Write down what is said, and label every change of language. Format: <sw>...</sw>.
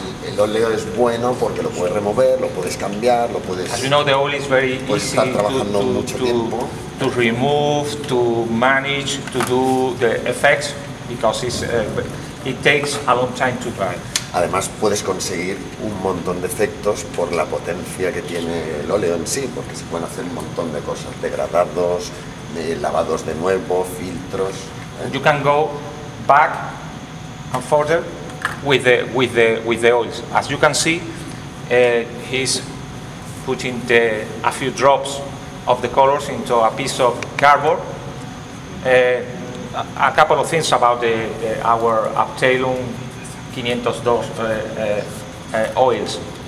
<es>El óleo es bueno porque lo puedes remover, lo puedes cambiar, lo puedes.</es> <en>As you know, the oil is very easy to remove, to manage, to do the effects because it takes a long time to dry.</en> <es>Además, puedes conseguir un montón de efectos por la potencia que tiene el óleo en sí, porque se pueden hacer un montón de cosas, degradados, lavados de nuevo, filtros.</es> <en>You can go back and further with the oils. As you can see, he's putting a few drops of the colors into a piece of cardboard. A couple of things about our Aptalum 502 oils.</en>